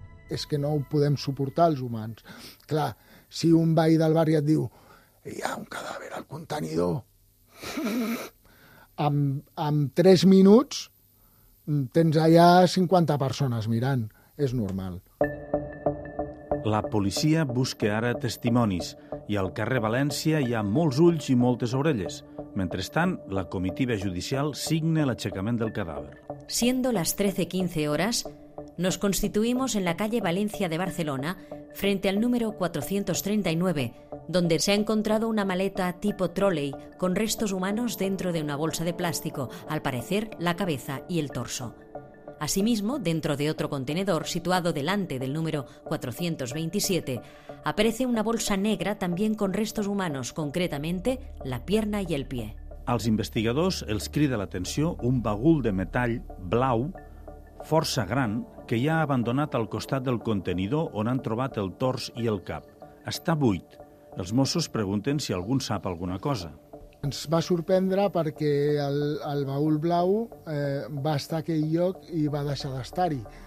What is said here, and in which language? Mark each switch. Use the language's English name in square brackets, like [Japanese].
[Catalan] És que no ho podem suportar els humans. Clar, si un veí del barri et diu hi ha un cadàver al contenidor, amb 3 minuts tens allà 50 persones mirant. És normal. La policia busca ara testimonis i al carrer València hi ha molts ulls i moltes orelles. Mentrestant, la comitiva judicial signa l'aixecament del cadàver. [Spanish] Siendo las 13:15 horas, nos constituimos en la calle Valencia de Barcelona frente al número 439, donde se ha encontrado una maleta tipo trolley con restos humanos dentro de una bolsa de plástico, al parecer la cabeza y el torso. Asimismo, dentro de otro contenedor situado delante del número 427, aparece una bolsa negra también con restos humanos, concretamente la pierna y el pie. [Catalan] Als investigadors els crida l'atenció un bagul de metall blau força gran que hi ha abandonat al costat del contenidor on han trobat el tors i el cap. Està buit. Els Mossos pregunten si algú sap alguna cosa. Ens va sorprendre perquè el baúl blau va estar a aquell lloc i va deixar d'estar-hi.